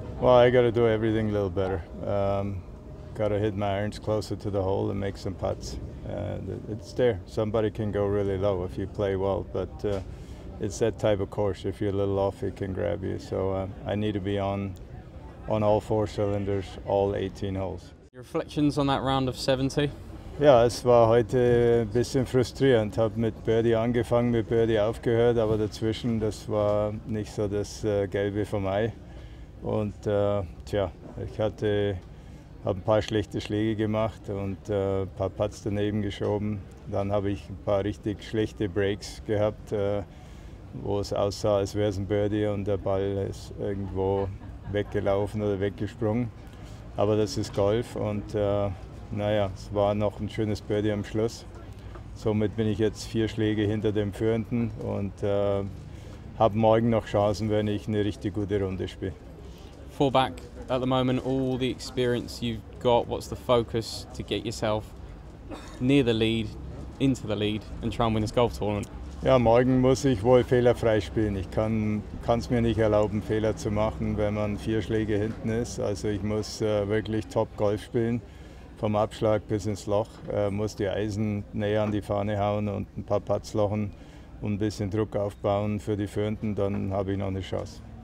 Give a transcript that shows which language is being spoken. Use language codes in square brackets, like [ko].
[en] Well, I got to do everything a little better. Got to hit my irons closer to the hole and make some putts. It's there. Somebody can go really low if you play well, but it's that type of course. If you're a little off, it can grab you. So I need to be on all four cylinders, all 18 holes. Your reflections on that round of 70? [de] Ja, es war heute ein bisschen frustrierend. Hab mit Birdie angefangen, mit Birdie aufgehört, aber dazwischen, das war nicht so das Gelbe vom Ei. Und ich hatte hab ein paar schlechte Schläge gemacht und ein paar Putts daneben geschoben. Dann habe ich ein paar richtig schlechte Breaks gehabt, wo es aussah, als wäre es ein Birdie und der Ball ist irgendwo weggelaufen oder weggesprungen. Aber das ist Golf und es war noch ein schönes Birdie am Schluss. Somit bin ich jetzt vier Schläge hinter dem Führenden und habe morgen noch Chancen, wenn ich eine richtig gute Runde spiele. [en] Four back at the moment, all the experience you've got, what's the focus to get yourself near the lead, into the lead and try and win this golf tournament? [de] Ja, morgen muss ich wohl fehlerfrei spielen. Ich kann es mir nicht erlauben, Fehler zu machen, wenn man vier Schläge hinten ist. Also ich muss wirklich top Golf spielen, vom Abschlag bis ins Loch. Muss die Eisen näher an die Fahne hauen und ein paar Putts lochen und ein bisschen Druck aufbauen für die Führenden, dann habe ich noch eine Chance.